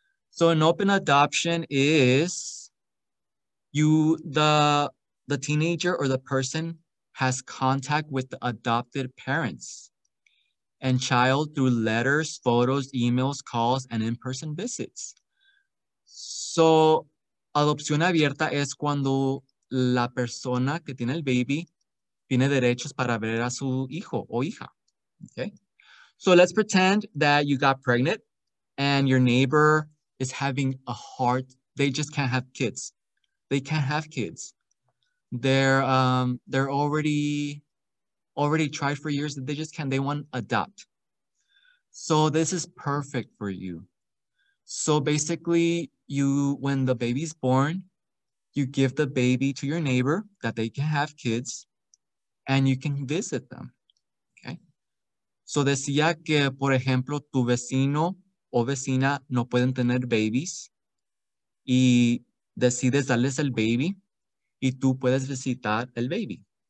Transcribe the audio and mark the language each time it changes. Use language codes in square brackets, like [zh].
[en] So an open adoption is the teenager or the person has contact with the adopted parents and child through letters, photos, emails, calls, and in-person visits. [es] So adopción abierta es cuando la persona que tiene el baby tiene derechos para ver a su hijo o hija. [en] Okay. So let's pretend that you got pregnant and your neighbor is having a hard, they just can't have kids. They can't have kids. They're already tried for years that they just can't, they want to adopt. So this is perfect for you. So basically, when the baby's born, you give the baby to your neighbor that they can have kids and you can visit them. [es] So decía que, por ejemplo, tu vecino o vecina no pueden tener babies y decides darles el baby y tú puedes visitar el baby.